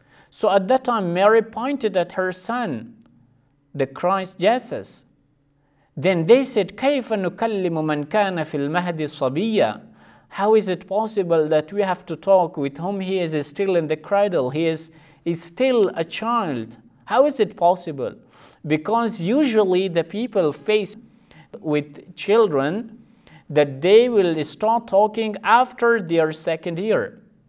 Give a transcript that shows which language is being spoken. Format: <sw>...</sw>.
<en>So at that time, Mary pointed at her son, the Christ Jesus. Then they said,</en> <ar>كَيْفَ نُكَلِّمُ مَنْ كَانَ فِي الْمَهْدِ صَبِيًّا?</ar> <en>How is it possible that we have to talk with whom he is still in the cradle? He is still a child. How is it possible? Because usually the people face with children that they will start talking after their second year.</en>